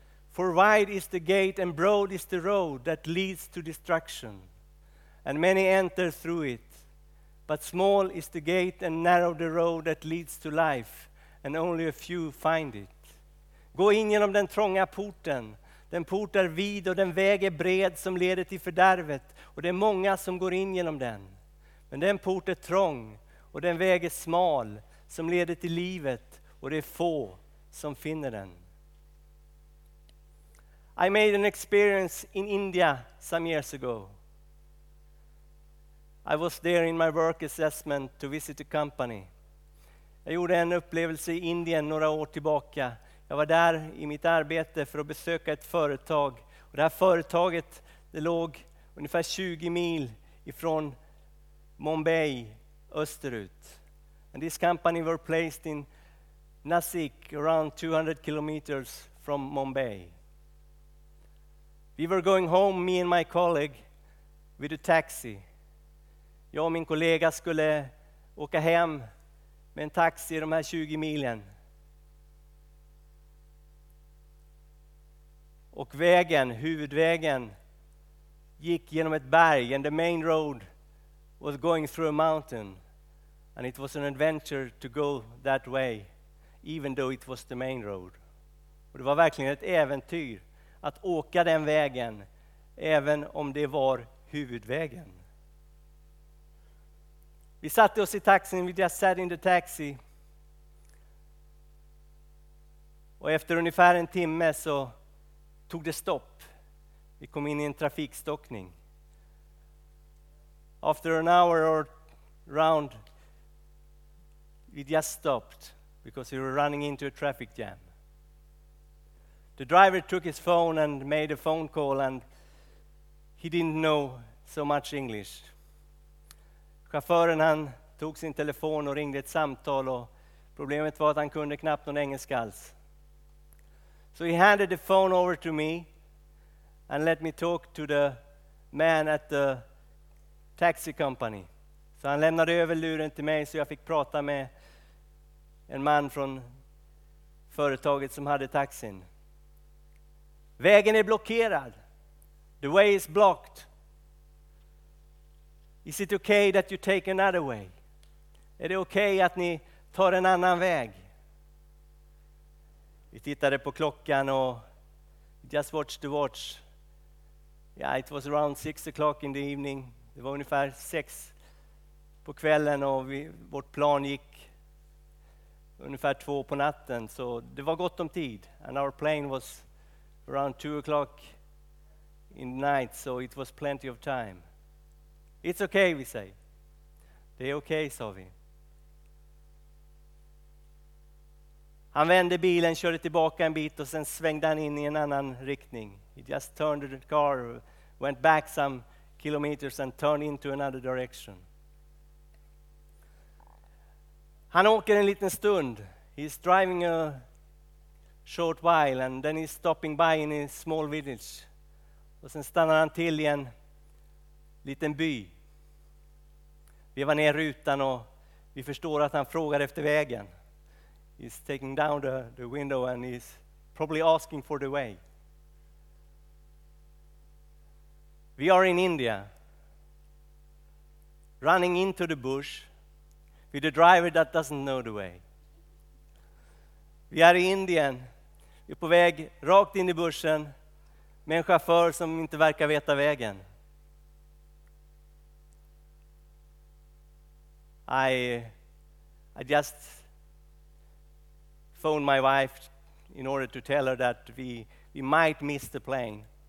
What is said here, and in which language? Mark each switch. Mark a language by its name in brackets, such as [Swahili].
[English] For wide is the gate and broad is the road that leads to destruction. And many enter through it. But small is the gate and narrow the road that leads to life. And only a few find it. [Swedish] Gå in genom den trånga porten. Den port är vid och den väg är bred som leder till fördärvet. Och det är många som går in genom den. Men den port är trång och den väg är smal som leder till livet. Och det är få som finner den. [English] I made an experience in India some years ago. I was there in my work assessment to visit a company. [Swedish] Jag gjorde en upplevelse i Indien några år tillbaka. Jag var där i mitt arbete för att besöka ett företag. Och det här företaget, det låg ungefär 20 mil ifrån Mumbai österut. [English] And this company were placed in Nasik, around 200 kilometers from Mumbai. We were going home, me and my colleague, with a taxi. [Swedish] Jag och min kollega skulle åka hem med en taxi de här 20 milen. Och vägen, huvudvägen, gick genom ett berg. [English] And the main road was going through a mountain. And it was an adventure to go that way, even though it was the main road. [Swedish] Och det var verkligen ett äventyr. Att åka den vägen, även om det var huvudvägen. Vi satte oss i taxin, [English] we just sat in the taxi. [Swedish] Och efter ungefär en timme så tog det stopp. Vi kom in i en trafikstockning. [English] After an hour or round, we just stopped because we were running into a traffic jam. The driver took his phone and made a phone call and he didn't know so much English. [Swedish] Chauffören han tog sin telefon och ringde ett samtal och problemet var att han kunde knappt någon engelska alls. [English] So he handed the phone over to me and let me talk to the man at the taxi company. [Swedish] Så han lämnade över luren till mig så jag fick prata med en man från företaget som hade taxin. Vägen är blockerad. [English] The way is blocked. Is it okay that you take another way? [Swedish] Är det okej att ni tar en annan väg? Vi tittade på klockan och [English] just watched the watch. Yeah, it was around 6 o'clock in the evening. [Swedish] Det var ungefär 6 på kvällen och vårt plan gick ungefär 2 på natten. Så det var gott om tid. [English] And our plane was around 2 o'clock in the night, so it was plenty of time. It's okay, we say. [Swedish] Det är okej, sa vi. Han vände bilen, körde tillbaka en bit och sen svängde han in i en annan riktning. [English] He just turned the car, went back some kilometers and turned into another direction. [Swedish] Han åker en liten stund. [English] He's driving a short while and then he's stopping by in a small village. [Swedish] Och sen stannar han till i en liten by. Vi var ner rutan och vi förstår att han frågar efter vägen. [English] He's taking down the window and he's probably asking for the way. We are in India. Running into the bush with a driver that doesn't know the way. [Swedish] Vi är i Indien. Vi är på väg rakt in i bussen med en chaufför som inte verkar veta vägen. [English] I just phoned my wife in order to tell her that we might miss the plane.